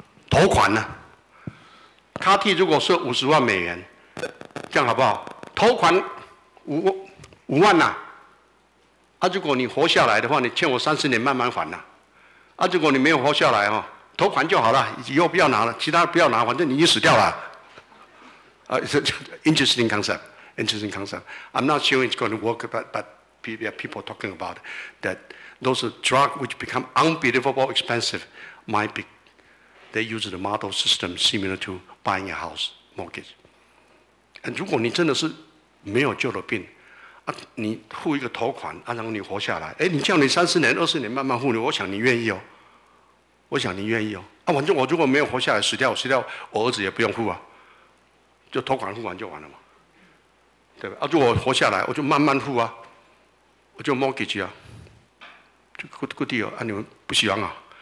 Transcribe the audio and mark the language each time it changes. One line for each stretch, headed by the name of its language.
Chinese: 投款呢 ？CAR-T 如果是50万美元，这样好不好？投款五万呐、如果你活下来的话，你欠我30年慢慢还呐、如果你没有活下来哦，投款就好了，以后不要拿了，其他不要拿，反正你已经死掉了。
English: interesting concept. I'm not sure it's going to work, but there are people talking about that those drug which become unbelievable expensive might be. They use the model system similar to buying a house mortgage.
Chinese: And 如果你真的是没有救的病，啊，你付一个投款，啊，然后你活下来，哎，你叫你30年、20年慢慢付你，我想你愿意哦，我想你愿意哦。啊，反正我如果没有活下来，死掉，我儿子也不用付啊，就投款付完就完了嘛，对吧？啊，如果活下来，我就慢慢付啊，我就 mortgage 啊，就
English: good deal
Chinese: 啊，你们不喜欢啊？